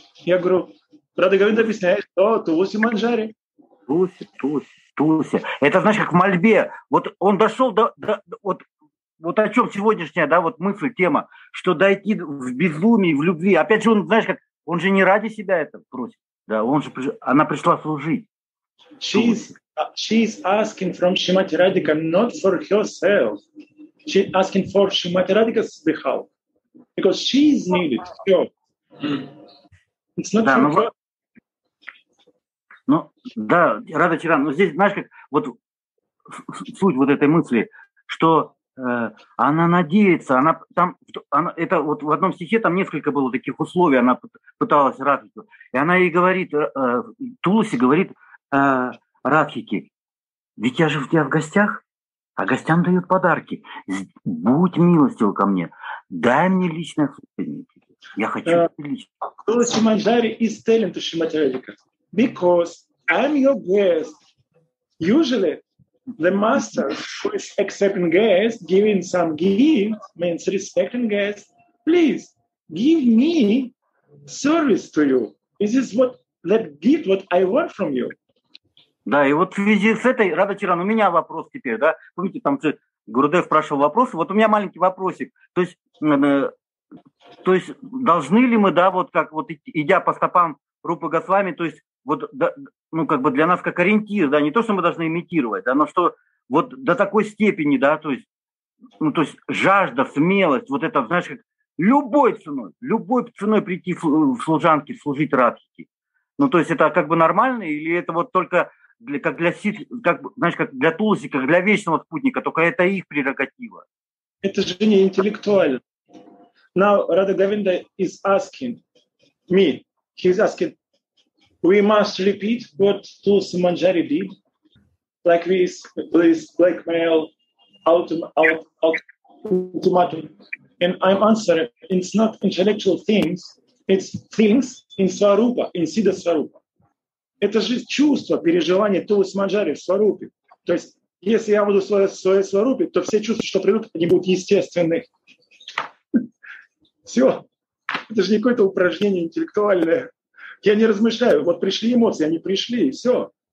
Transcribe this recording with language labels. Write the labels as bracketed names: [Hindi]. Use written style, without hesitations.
[Russian] Я говорю, Радха Говинда объясняет, что Туласи Манджари. Туласи. Это значит, как в мольбе. Вот он дошел до о чем сегодняшняя, да, вот мысль, тема, что дойти в безумии, в любви. Опять же, он, знаешь, как, он же не ради себя это просит. Да, она пришла служить. [English] She's asking from Shrimati Radhika not for herself. She's asking for Shrimati Radhika's help. Because she's needed. Mm. It's not [Russian] да, [English] true. [Russian] Да, Рада Чаран, но здесь, знаешь, как вот суть вот этой мысли, что она надеется, это вот в одном стихе там несколько было таких условий, она пыталась Радхику, и она ей говорит, Туласи говорит Радхике, ведь я же у тебя в гостях, а гостям дают подарки, будь милостив ко мне, дай мне личное сотрудничество, я хочу лично. [English] Туласи Манджари is telling to Shrimati Radhika, because I'm your guest, usually the master who is accepting guests, giving some gift, means respecting guests. Please give me service to you. This is what that gift, what I want from you. [Russian] Да, и вот в связи с этой, Рада Чаран, у меня вопрос теперь, да? Помните, там Гурудев спрашивал вопрос, вот у меня маленький вопросик. То есть должны ли мы, да, вот как вот идя по стопам Рупы Госвами, то есть вот, да, ну, как бы для нас как ориентир, да, не то, что мы должны имитировать, да, но что вот до такой степени, да, то есть жажда, смелость, вот это, знаешь, как любой ценой прийти в служанки, служить Радхике. Ну, то есть это как бы нормально, или это вот только для Туласи, как для вечного спутника, только это их прерогатива. Это же не интеллектуально. [English] Now, Radha Govinda is asking me, he's asking, we must repeat what Tulsi Manjari did, like this, please, blackmail, ultimatum. And I'm answering, it's not intellectual things, it's things in Swarupa, in Siddha Swarupa. [Russian] Это же чувство, переживание Тулуси Манджари в Сварупе. То есть, если я буду в своей Сварупе, то все чувства, что придут, они будут естественны. Все. Это же не какое-то упражнение интеллектуальное. Я не размышляю. Вот пришли эмоции, они пришли, и все.